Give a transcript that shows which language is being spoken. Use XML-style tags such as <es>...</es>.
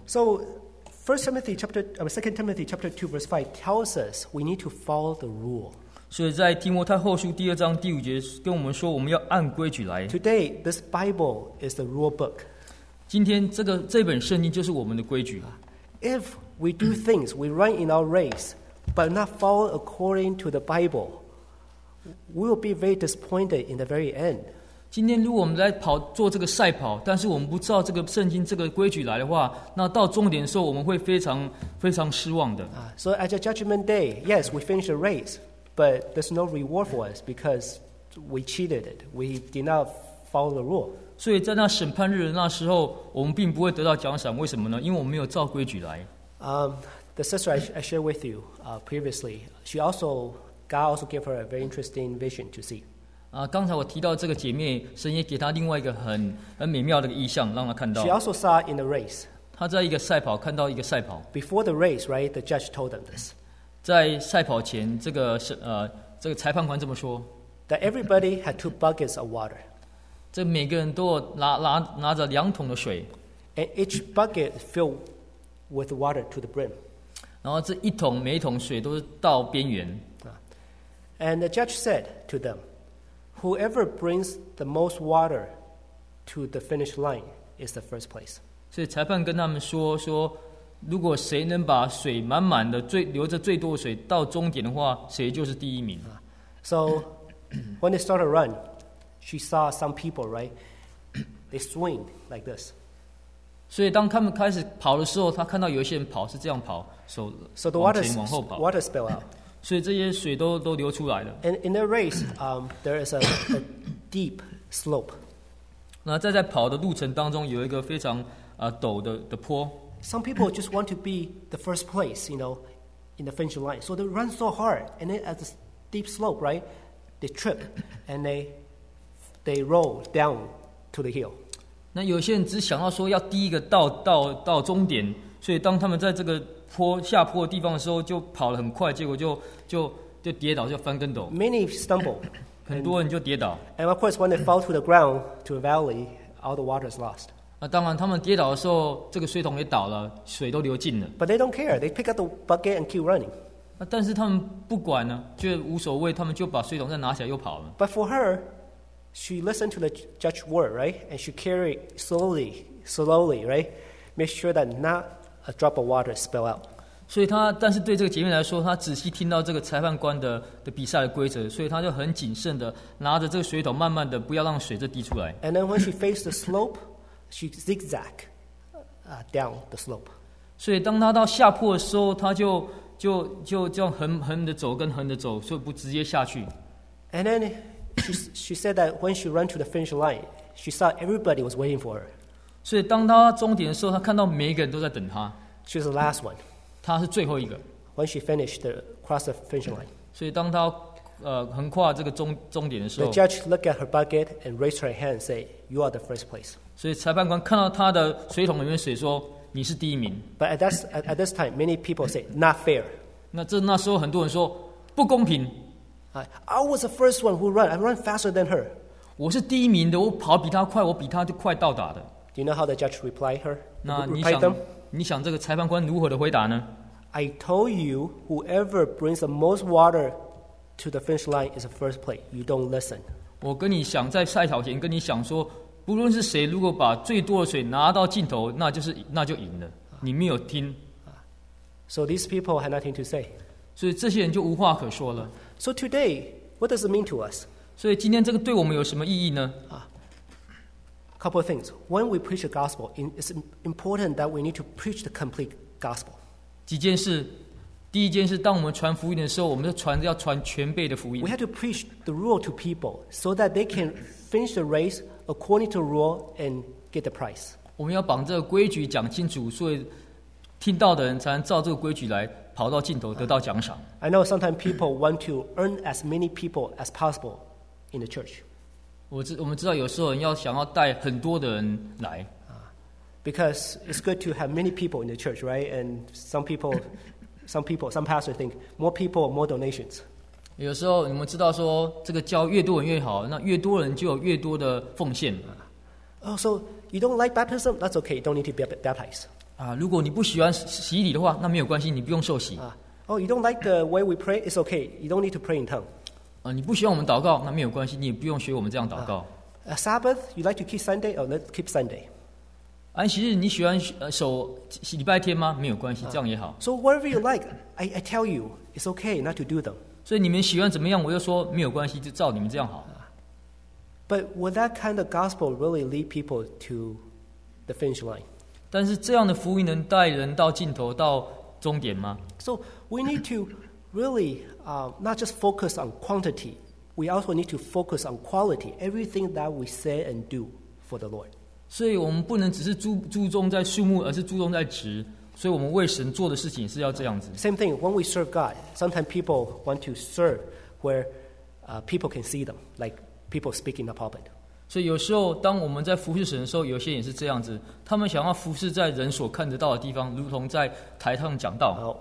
<en>So, 2 Timothy chapter 2 verse 5 tells us we need to follow the rule.</en> <zh>所以在提摩太后书第二章第五节跟我们说我们要按规矩来。</zh> <en>Today, this Bible is the rule book.</en> <zh>今天这本圣经就是我们的规矩。</zh> <en>If we do things, we run in our race, but not follow according to the Bible, we will be very disappointed in the very end.</en> <zh>今天如果我们来跑做这个赛跑，但是我们不照这个圣经这个规矩来的话，那到终点的时候，我们会非常失望的。</zh> <en>So at the judgment day, yes, we finish the race, but there's no reward for us because we cheated it. We did not follow the rule.</en> <zh>所以在那审判日的那时候，我们并不会得到奖赏。为什么呢？因为我们没有照规矩来。</zh> <en>The sister I shared with you previously, she also God also gave her a very interesting vision to see.</en> <zh>刚才我提到这个姐妹，神也给她另外一个很美妙的意象，让她看到。</zh> <en>She also saw in the race.</en> <zh>她在一个赛跑看到一个赛跑。</zh> <en>Before the race, right, the judge told them this.</en> <zh>在赛跑前，这个裁判官这么说。</zh> <en>That everybody had two buckets of water.</en> <zh>这每个人都拿着两桶的水。</zh> <en>And each bucket filled with water to the brim.</en> <zh>然后这一桶每一桶水都是到边缘。</zh> <en>And the judge said to them, whoever brings the most water to the finish line is the first place.</en> <zh>所以裁判跟他们说如果谁能把水满满的留着最多的水到终点的话，谁就是第一名。</zh> <en>So when they started run, she saw some people, right? They swing like this.</en> <zh>所以当他们开始跑的时候，他看到有一些人跑是这样跑，手往前往后跑。</zh> <en>So the water spill out.</en> <zh>所以这些水都流出来了。</zh> <en>And in the race, there is a deep slope.</en> <zh>那在跑的路程当中，有一个非常陡的坡。</zh> <en>Some people just want to be the first place, you know, in the finish line. So they run so hard, and then at the steep slope, right, they trip, and they roll down to the hill.</en> <zh>那有些人只想到说要第一个到终点，所以当他们在这个坡下坡的地方的时候，就跑得很快，结果就跌倒，就翻跟斗。</zh> <en>Many stumble.</en> <zh>很多人就跌倒。</zh> <en>And of course, when they fall to the ground, to a valley, all the water is lost.</en> <zh>当然，他们跌倒的时候，这个水桶也倒了，水都流尽了。</zh> <en>But they don't care. They pick up the bucket and keep running.</en> <zh>但是他们不管呢，就无所谓，他们就把水桶再拿起来又跑了。</zh> <en>But for her, she listened to the judge's word, right? And she carried slowly, right? Make sure that not a drop of water spill out.</en> <zh>所以她，但是对这个姐妹来说，她仔细听到这个裁判官的比赛的规则，所以她就很谨慎的拿着这个水桶，慢慢的不要让水再滴出来。</zh> <en>And then when she faced the slope. She zigzag down the slope.</en> <zh>所以当他到下坡的时候，他就这样横的走，跟横的走，所以不直接下去。</zh> <en>And then she said that when she ran to the finish line, she saw everybody was waiting for her.</en> <zh>所以当他终点的时候，他看到每一个人都在等他。</zh> <en>She was the last one.</en> <zh>他是最后一个。</zh> <en>When she finished the cross the finish line.</en> <zh>所以当他横跨这个终点的时候</zh> <en>，The judge looked at her bucket and raised her hand, say, "You are the first place."</en> <zh>所以裁判官看到他的水桶里面水说你是第一名。</zh> <en>But at this time, many people say, not fair.</en> <zh>那时候很多人说不公平。</zh> <en>I was the first one who ran. I ran faster than her.</en> <zh>我是第一名的，我跑比他快，我比他快到达的。</zh> <en>Do you know how the judge replied her?</en> <zh>那你想这个裁判官如何的回答呢</zh> <en>？I told you, whoever brings the most water to the finish line is the first place. You don't listen.</en> <zh>我跟你想在赛跑前跟你想说。不论是谁，如果把最多的水拿到尽头，那就赢了。你没有听。</zh> <en>So these people had nothing to say.</en> <zh>所以这些人就无话可说了。</zh> <en>So today, what does it mean to us?</en> <zh>所以今天这个对我们有什么意义呢？</zh> <en>Couple of things. When we preach the gospel, it's important that we need to preach the complete gospel.</en> <zh>几件事，第一件事，当我们传福音的时候，我们要传全备的福音。</zh> <en>We have to preach the rule to people so that they can finish the race. According to rule and get the prize.</en> <zh>我们要把这个规矩讲清楚，所以听到的人才能照这个规矩来跑到尽头，得到奖赏。</zh> <en>I know sometimes people want to earn as many people as possible in the church.</en> <zh>我们知道有时候人要想要带很多的人来。</zh> <en>Because it's good to have many people in the church, right? And some pastors think more people, more donations.</en> <zh>有时候你们知道说这个教越多人越好，那越多人就有越多的奉献。</zh> <en>Oh, so you don't like baptism? That's okay. You don't need to be baptized.</en> <zh>如果你不喜欢洗礼的话，那没有关系，你不用受洗。</zh> <en>Oh, you don't like the way we pray? It's okay. You don't need to pray in tongue.</en> <zh>你不喜欢我们祷告，那没有关系，你也不用学我们这样祷告。</zh> <en>Sabbath, you like to keep Sunday? Oh, let's keep Sunday.</en> <zh>安息日你喜欢守礼拜天吗？没有关系，这样也好。</zh> <en>So whatever you like, I tell you, it's okay not to do them.</en> <zh>所以你们喜欢怎么样，我就说没有关系，就照你们这样好。</zh> <en>But would that kind of gospel really lead people to the finish line?</en> <zh>但是这样的福音能带人到尽头，到终点吗</zh> <en>？So we need to really not just focus on quantity. We also need to focus on quality. Everything that we say and do. for the Lord.</en> <zh>所以我们不能只是注重在数目，而是注重在值。所以我们为神做的事情是要这样子。</zh> <en>Same thing. When we serve God, sometimes people want to serve where people can see them, like people speaking the pulpit.</en> <zh>所以有时候当我们在服侍神的时候，有些也是这样子。他们想要服侍在人所看得到的地方，如同在台上讲道。</zh>